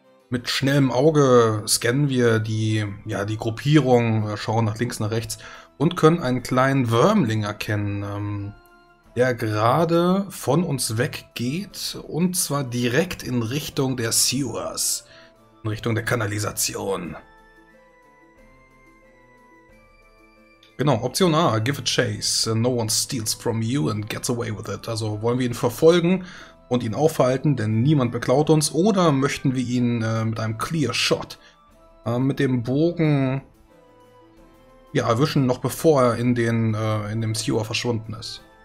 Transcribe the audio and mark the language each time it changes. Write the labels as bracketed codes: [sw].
[de] Mit schnellem Auge scannen wir die Gruppierung, schauen nach links, nach rechts und können einen kleinen Wurmling erkennen, der gerade von uns weggeht und zwar direkt in Richtung der Sewers, in Richtung der Kanalisation. Genau, [en] Option A, give a chase, no one steals from you and gets away with it. [de] Also wollen wir ihn verfolgen und ihn aufhalten, denn niemand beklaut uns. Oder möchten wir ihn mit einem [en] clear shot, [de] mit dem Bogen ja, erwischen, noch bevor er in dem Sewer verschwunden ist.